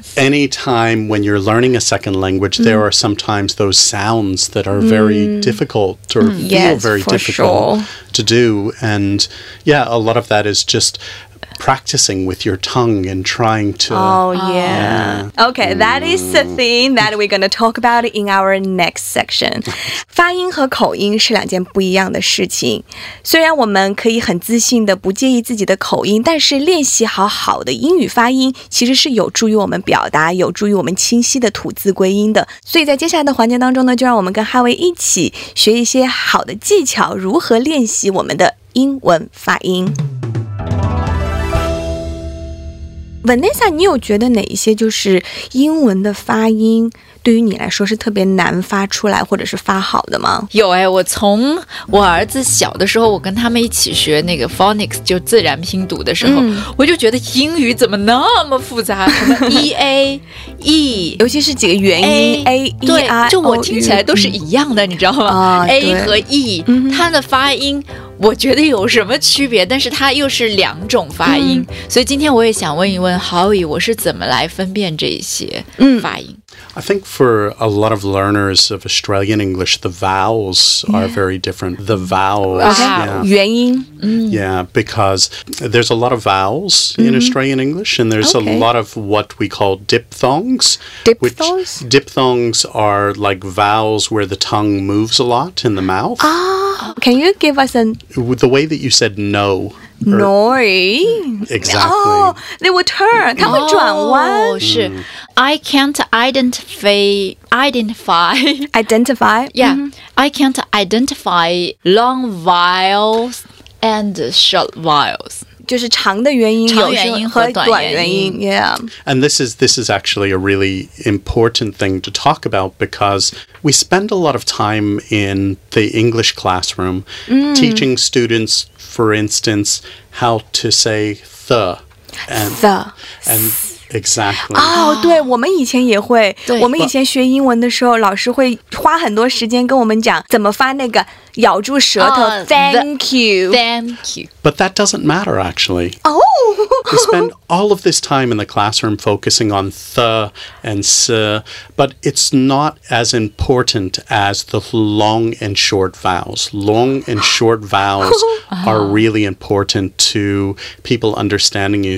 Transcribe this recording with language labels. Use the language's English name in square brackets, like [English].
[English] Any time when you're learning a second language, there are sometimes those sounds that are very difficult or feel very difficult to do. And yeah, a lot of that is just... practicing with your tongue and trying to... Oh, yeah. Okay, that is the thing that we're going to talk about in our next section. [Chinese] 发音和口音是两件不一样的事情。虽然我们可以很自信的不介意自己的口音，但是练习好好的英语发音其实是有助于我们表达，有助于我们清晰的吐字归音的。所以在接下来的环节当中呢，就让我们跟哈维一起学一些好的技巧，如何练习我们的英文发音。 Vanessa, 你有觉得哪一些就是英文的发音对于你来说是特别难发出来或者是发好的吗？有，我从我儿子小的时候我跟他们一起学那个 phonics 就自然拼读的时候，我就觉得英语怎么那么复杂，什么EA E，尤其是几个元音，A，E，I，O，U，就我听起来都是一样的，你知道吗？A 和 E， 它的发音我觉得有什么区别，但是它又是两种发音，所以今天我也想问一问 Howie， 我是怎么来分辨这些发音。 [English] I think for a lot of learners of Australian English, the vowels are very different. The vowels, because there's a lot of vowels in Australian English, and there's a lot of what we call diphthongs. Diphthongs? Diphthongs are like vowels where the tongue moves a lot in the mouth. Can you give us an... The way that you said no... Noi. Exactly. Oh, they will turn. [Chinese] 他会转弯。 [English] 是。I can't identify. Identify? Yeah. I can't identify long vowels and short vowels. [Chinese] 就是长的元音和短元音。 [English] Yeah. And this is actually a really important thing to talk about because we spend a lot of time in the English classroom teaching students, for instance, how to say the. The. And exactly. [Chinese] Oh, 对，我们以前也会，我们以前学英文的时候，老师会花很多时间跟我们讲怎么发那个咬住舌头, [English] thank you. Thank you. But that doesn't matter, actually. Oh! We spend all of this time in the classroom focusing on the and se, but it's not as important as the long and short vowels. Long and short vowels are really important to people understanding you.